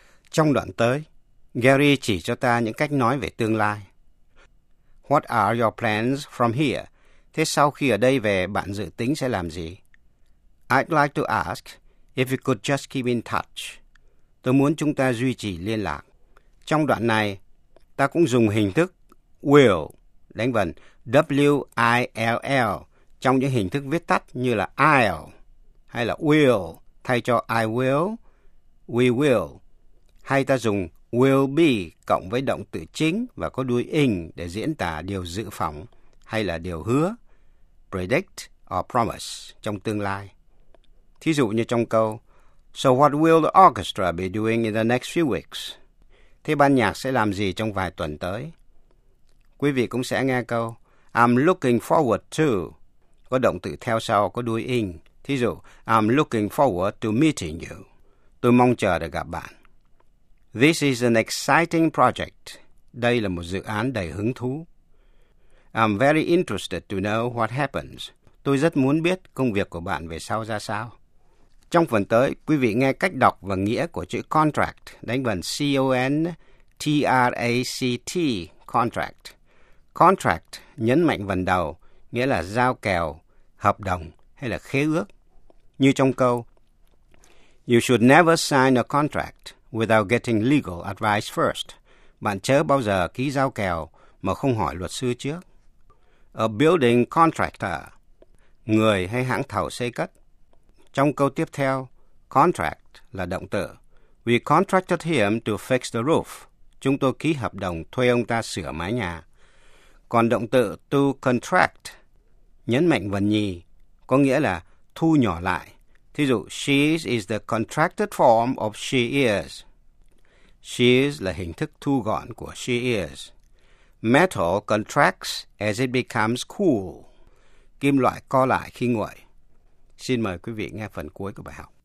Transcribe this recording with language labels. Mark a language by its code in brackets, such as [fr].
[vi] Trong đoạn tới, Gary chỉ cho ta những cách nói về tương lai. [en] What are your plans from here? [vi] Thế sau khi ở đây về, bạn dự tính sẽ làm gì? [en] I'd like to ask if you could just keep in touch. [vi] Tôi muốn chúng ta duy trì liên lạc. Trong đoạn này, ta cũng dùng hình thức will, đánh vần W-I-L-L trong những hình thức viết tắt như là I'll hay là will thay cho I will, we will. Hay ta dùng will be cộng với động từ chính và có đuôi ing để diễn tả điều dự phòng hay là điều hứa, [en] predict or promise [vi] trong tương lai. Thí dụ như trong câu, [en] so what will the orchestra be doing in the next few weeks? [vi] Thế ban nhạc sẽ làm gì trong vài tuần tới? Quý vị cũng sẽ nghe câu, [en] I'm looking forward to, [vi] có động từ theo sau có đuôi ing. Thí dụ, [en] I'm looking forward to meeting you. [vi] Tôi mong chờ được gặp bạn. [en] This is an exciting project. [vi] Đây là một dự án đầy hứng thú. [en] I'm very interested to know what happens. [vi] Tôi rất muốn biết công việc của bạn về sau ra sao. Trong phần tới, quý vị nghe cách đọc và nghĩa của chữ contract, đánh vần C-O-N-T-R-A-C-T, contract. Contract nhấn mạnh vần đầu, nghĩa là giao kèo, hợp đồng hay là khế ước. Như trong câu, [en] you should never sign a contract without getting legal advice first. [vi] Bạn chớ bao giờ ký giao kèo mà không hỏi luật sư trước. [en] A building contractor, [vi] người hay hãng thầu xây cất. Trong câu tiếp theo, contract là động từ. [en] We contracted him to fix the roof. [vi] Chúng tôi ký hợp đồng thuê ông ta sửa mái nhà. Còn động từ to contract, nhấn mạnh vần nhì, có nghĩa là thu nhỏ lại. Thí dụ, [en] she is the contracted form of she is. [vi] She is là hình thức thu gọn của she is. [en] Metal contracts as it becomes cool. [vi] Kim loại co lại khi nguội. Xin mời quý vị nghe phần cuối của bài học.